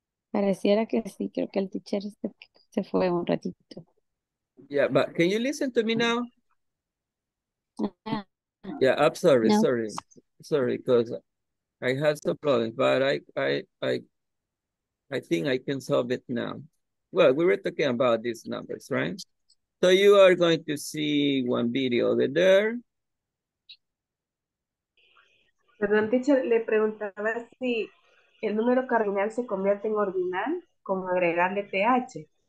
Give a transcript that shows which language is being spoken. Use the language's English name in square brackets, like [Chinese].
[Spanish] pareciera que sí, creo que el teacher se fue un ratito. [English] Yeah, but can you listen to me now? Yeah, I'm sorry, no. sorry, because I had some problems, but I think I can solve it now. Well, we were talking about these numbers, right? So you are going to see one video over there. [Spanish] Perdón, teacher, le preguntaba si el número cardinal se convierte en ordinal como agregarle th.